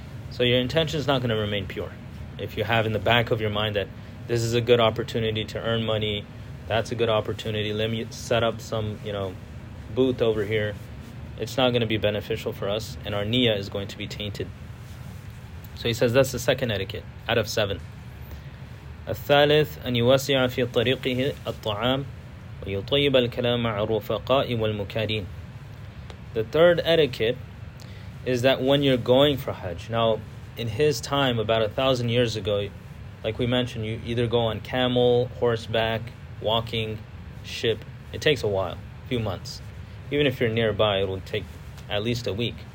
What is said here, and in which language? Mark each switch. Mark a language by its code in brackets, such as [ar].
[en] So your intention is not going to remain pure. If you have in the back of your mind that this is a good opportunity to earn money, that's a good opportunity, let me set up some, you know, booth over here, it's not going to be beneficial for us, and our niyyah is going to be tainted. So he says that's the second etiquette, out of seven. [ar] الثالث أن يوسع في طريقه الطعام ويطيب الكلام مع الرفقاء والمكارين. [en] The third etiquette is that when you're going for Hajj, now in his time, about 1,000 years ago, like we mentioned, you either go on camel, horseback, walking, ship. It takes a while, a few months. Even if you're nearby, it will take at least a week.